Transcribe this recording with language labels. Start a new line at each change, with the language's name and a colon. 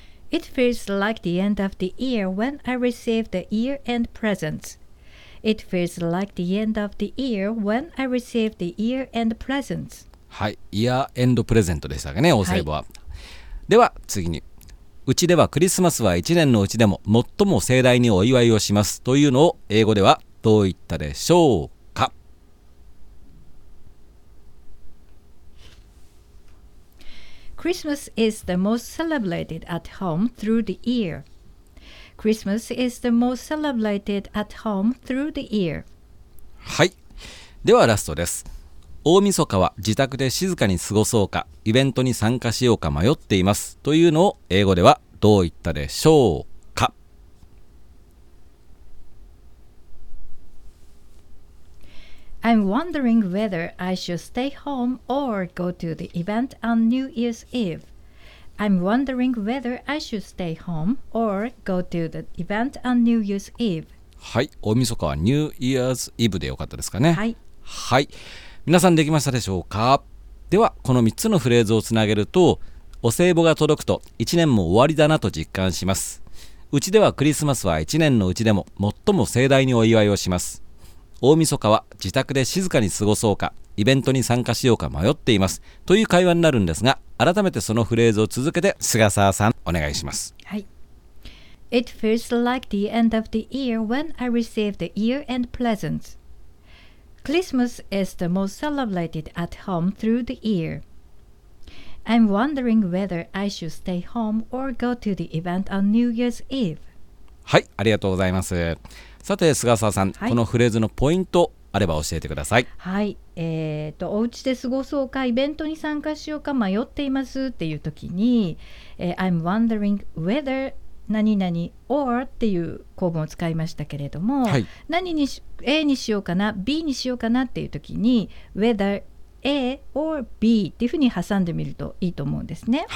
English: It feels like the end of the year when I receive the year-end presents. It feels like the end of the year when I receive the year-end presents.
Japanese: はい、イヤーエンドプレゼントでしたかね、お歳暮は。では次に、うちではクリスマスは一年のうちでも最も盛大にお祝いをしますというのを英語ではどう言ったでしょうか？
English: Christmas is the most celebrated at home through the year. Christmas is the most celebrated at home through the year.
Japanese: はい、ではラストです。大晦日は自宅で静かに過ごそうか、イベントに参加しようか迷っていますというのを英語ではどう言ったでしょうか？
English: I'm wondering whether I should stay home or go to the event on New Year's Eve. I'm wondering whether I should stay home or go to the event on New Year's Eve.
Japanese: はい、大晦日は
English: New Year's Eve
Japanese: でよかったですかね。はい。はい、皆さんできましたでしょうか？ではこの3つのフレーズをつなげると、お歳暮が届くと1年も終わりだなと実感します、うちではクリスマスは1年のうちでも最も盛大にお祝いをします、大晦日は自宅で静かに過ごそうか、イベントに参加しようか迷っていますという会話になるんですが、改めてそのフレーズを続けて菅沢さんお願いします。はい。
English: It feels like the end of the year when I receive the year-end presentsChristmas is the most celebrated at home through the year. I'm wondering whether I should stay home or go to the event on New Year's Eve.
Japanese: はい、ありがとうございます。さて、菅沢さん、はい、このフレーズのポイントあれば教えてください。はい、お家で過ごそうか、イベントに参加しようか迷っていますっていう時に、
English: I'm wondering whether
Japanese: 何々 or っていう構文を使いましたけれども、はい、何にし A にしようかな、 B にしようかなっていう時に
English: Whether A or B
Japanese: っていうふうに挟んでみるといいと思うんですね。